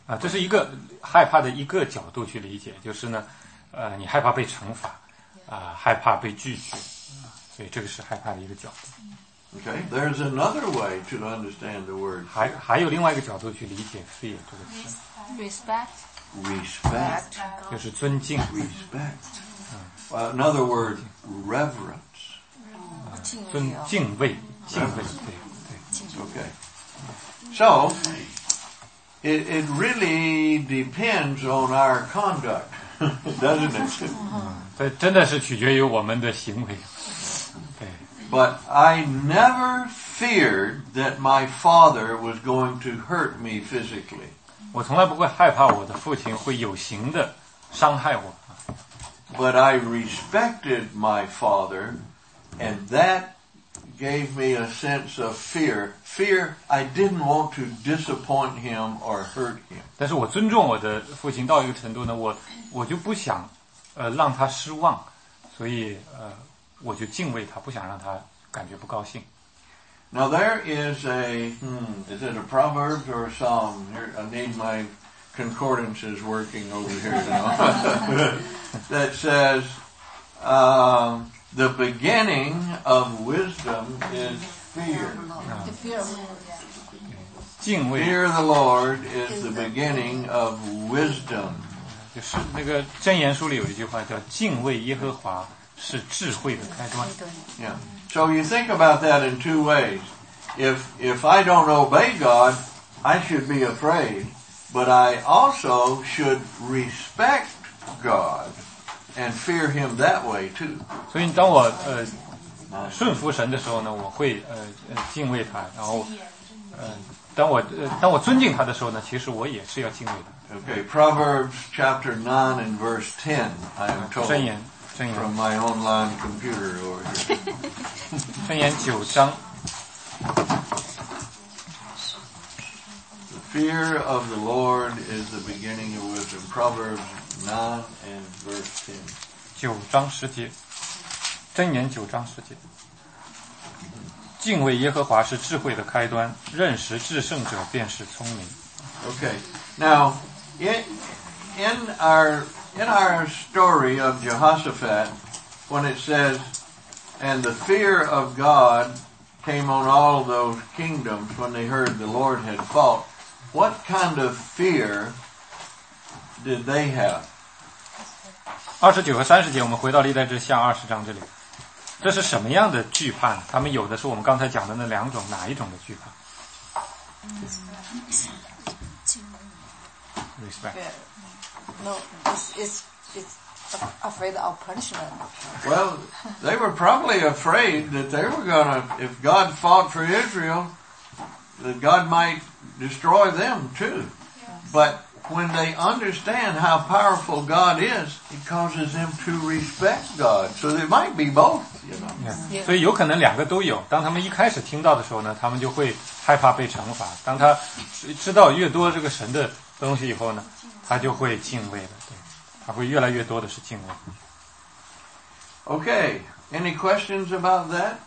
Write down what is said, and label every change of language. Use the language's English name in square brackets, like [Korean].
[Chinese] 这是一个害怕的一个角度去理解，就是呢，你害怕被惩罚，害怕被拒绝，所以这个是害怕的一个角度。 [English] Okay, there's another way to understand the word. [Chinese] 还有另外一个角度去理解 fear 这个词。 [English] Respect. [Chinese] 就是尊敬。 [English] Respect. Another word, reverence. [Chinese] 尊敬畏，敬畏，对，对。 [English] Okay. So, it really depends on our conduct, doesn't it? [Chinese] 这真的是取决于我们的行为。 [English] But I never feared that my father was going to hurt me physically. [Chinese] 我从来不会害怕我的父亲会有形的伤害我。 [English] But I respected my father, and that gave me a sense of fear. Fear, I didn't want to disappoint him or hurt him. [Chinese] 但是我尊重我的父亲到一个程度呢，我就不想，让他失望，所以，我就敬畏他，不想让他感觉不高兴。 [English] Now there is a, is it a proverb or a psalm? Here, I need my concordances working over here now. That says, the beginning of wisdom is fear. Fear the Lord is the beginning of wisdom. [Chinese] 就是那个箴言书里有一句话叫敬畏耶和华。是智慧的开端。 [English] Yeah. So you think about that in two ways. If I don't obey God, I should be afraid, but I also should respect God and fear Him that way too. [Chinese] 所以当我顺服神的时候呢，我会敬畏他，然后当我尊敬他的时候呢，其实我也是要敬畏的。 [English] Okay, Proverbs chapter 9 and verse 10, I am told. [Chinese] 箴言。 [English] From my online computer over here. [Chinese] 箴言九章。 [English] The fear of the Lord is the beginning of wisdom. Proverbs 9 and verse 10. [Chinese] 九章十节。箴言九章十节。敬畏耶和华是智慧的开端，认识至圣者便是聪明。 [English] Okay. Now, in our story of Jehoshaphat, when it says, and the fear of God came on all those kingdoms when they heard the Lord had fought, what kind of fear did they have? [Chinese] 29和30节，我们回到历代志下20章这里。这是什么样的惧怕？他们有的是我们刚才讲的那两种，哪一种的惧怕？ [English] Respect. No, it's afraid of punishment. Well, they were probably afraid that they were gonna, if God fought for Israel, that God might destroy them too. But when they understand how powerful God is, it causes them to respect God. So they might be both, you know. Yeah. [Chinese] 所以有可能两个都有。当他们一开始听到的时候呢，他们就会害怕被惩罚。当他知道越多这个神的东西以后呢，他就会敬畏了，对，他会越来越多的是敬畏。 [English] Okay, any questions about that?